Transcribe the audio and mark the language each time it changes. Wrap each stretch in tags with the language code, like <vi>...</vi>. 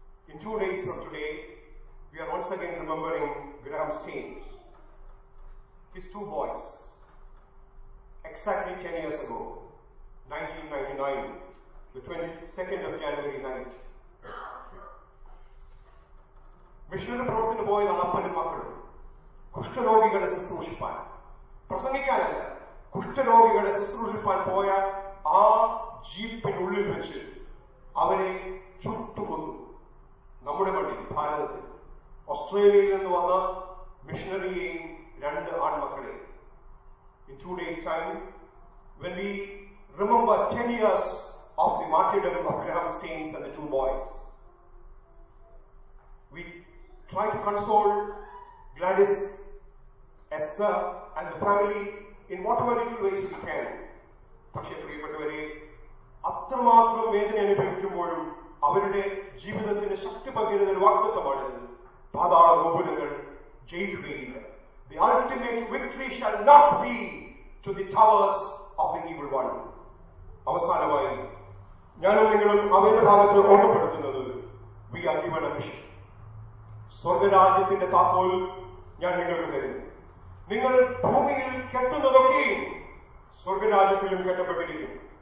<en>In 2 days from today, we are once again remembering Graham Staines. His two boys. Exactly 10 years ago, 1999, the 22nd of January 9th.</en> <ml>Missionary പ്രവർത്തനം പോയ അപ്പനും മക്കളും കുഷ്ഠരോഗികളെ ശുശ്രൂഷിപ്പാൻ, പ്രസംഗിക്കാനല്ല, കുഷ്ഠരോഗികളെ ശുശ്രൂഷിപ്പാൻ പോയ ആ ജീപ്പിനുള്ളിൽ വെച്ച് അവരെ ചുട്ടുകൊന്നു. നമ്മുടെ വണ്ടി ഭാരതത്തിൽ ഓസ്ട്രേലിയയിൽ നിന്ന് വന്ന മിഷനറിയെയും രണ്ട് ആൺമക്കളെ.</ml> <en>In 2 days time, when we remember 10 years of the martyrdom of Graham Staines and the two boys, we try to console Gladys, Esther and the family in whatever little ways we can.</en> <ml>പക്ഷേ പ്രിയപ്പെട്ടവരെ, അത്രമാത്രം വേദന അനുഭവിക്കുമ്പോഴും അവരുടെ ജീവിതത്തിന്റെ ശക്തി പകരുന്ന ഒരു വാഗ്ദത്തമാണ് പാതാള ഗോപുരങ്ങൾ ജയിക്കുകയില്ല.</ml> <en>The ultimate victory shall not be to the towers of the evil one.</en> <ml>അവസാനമായി ഞാനും നിങ്ങളും അവരുടെ ഭാഗത്ത് ഓർമ്മപ്പെടുത്തുന്നത്,</ml> <en>We are given mission.</en> <ml>സ്വർഗരാജ്യത്തിന്റെ താക്കോൽ ഞാൻ നിങ്ങൾക്ക് തരുന്നു. നിങ്ങൾ ഭൂമിയിൽ കെട്ടുന്നതൊക്കെയും സ്വർഗരാജ്യത്തിലും കെട്ടപ്പെട്ടിരിക്കും.</ml>